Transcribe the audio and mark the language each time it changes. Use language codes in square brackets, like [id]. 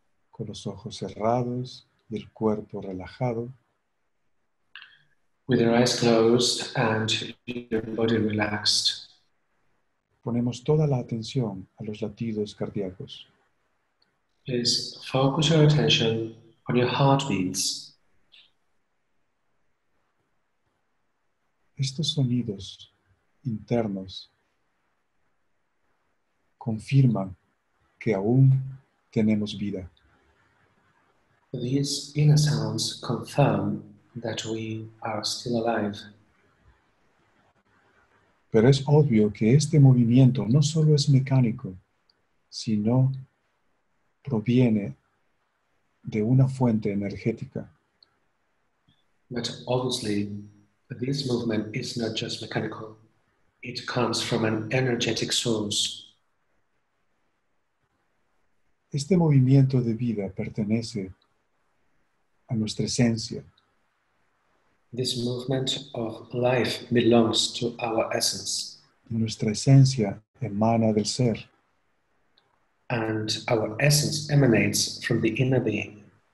[es] Con los ojos cerrados y el cuerpo relajado. [en] With your eyes closed and your body relaxed. [es] Ponemos toda la atención a los latidos cardíacos. [en] Please focus your attention on your heartbeats. [es] Estos sonidos internos confirman que aún tenemos vida. [en] These inner sounds confirm that we are still alive. [es] Pero es obvio que este movimiento no solo es mecánico, sino proviene de una fuente energética. [en] But obviously, this movement is not just mechanical. It comes from an energetic source. [es] Este movimiento de vida pertenece a nuestra esencia. [en] This movement of life belongs to our essence. [es] Nuestra esencia emana del ser. [en] And our essence emanates from the inner being.